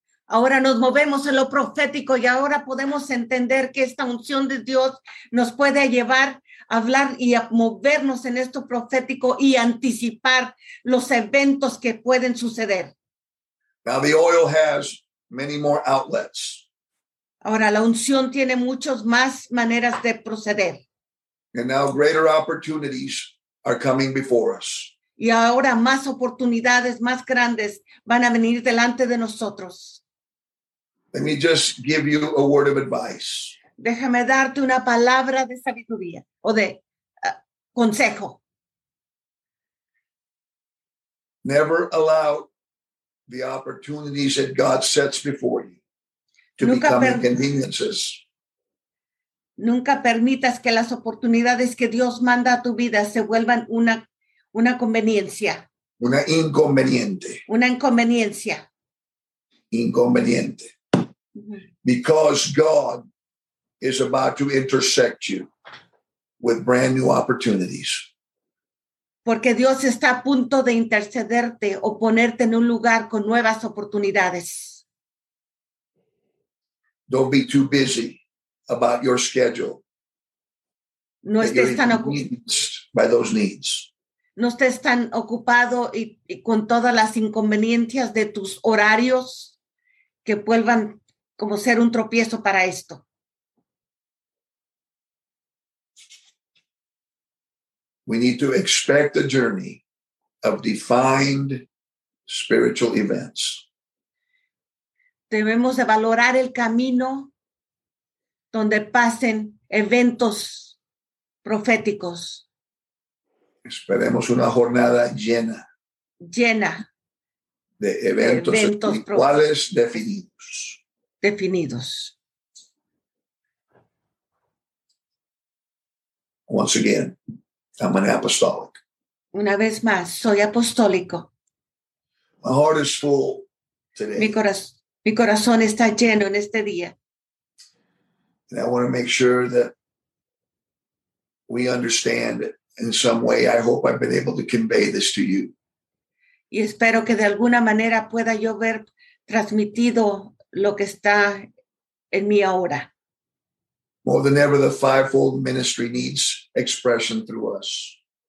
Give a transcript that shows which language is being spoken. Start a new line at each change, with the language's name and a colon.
Spanish: Ahora nos movemos en lo profético y ahora podemos entender que esta unción de Dios nos puede llevar a hablar y a movernos en esto profético y anticipar los eventos que pueden suceder.
English: Now the oil has many more outlets.
Spanish: Ahora la unción tiene muchas más maneras de proceder.
English: And now greater opportunities are coming before us.
Spanish: Y ahora más oportunidades más grandes van a venir delante de nosotros.
English: Let me just give you a word of advice.
Spanish: Déjame darte una palabra de sabiduría o de consejo.
English: Never allow the opportunities that God sets before you to
Spanish: nunca
English: become inconveniences.
Spanish: Nunca permitas que las oportunidades que Dios manda a tu vida se vuelvan una conveniencia. Una inconveniente. Una inconveniencia. Inconveniente.
English: Because God is about to intersect you with brand new opportunities.
Spanish: Porque Dios está a punto de intercederte o ponerte en un lugar con nuevas oportunidades.
English: Don't be too busy about your schedule.
Spanish: No estés tan
English: by those needs.
Spanish: No estés tan ocupado y con todas las inconveniencias de tus horarios que vuelvan como ser un tropiezo para esto.
English: We need to expect a journey of defined spiritual events.
Spanish: Debemos de valorar el camino donde pasen eventos proféticos. Esperemos una jornada llena. Llena. De eventos, espirituales definidos. Definidos.
English: Once again, I'm an apostolic.
Spanish: Una vez más, soy apostólico.
English: My heart is full today.
Spanish: Mi corazón está lleno en este día.
English: And I want to make sure that we understand in some way. I hope I've been able to convey this to you.
Spanish: Y espero que de alguna manera pueda yo ver transmitido lo que está en mí ahora.
English: More than ever, the fivefold ministry needs expression through us.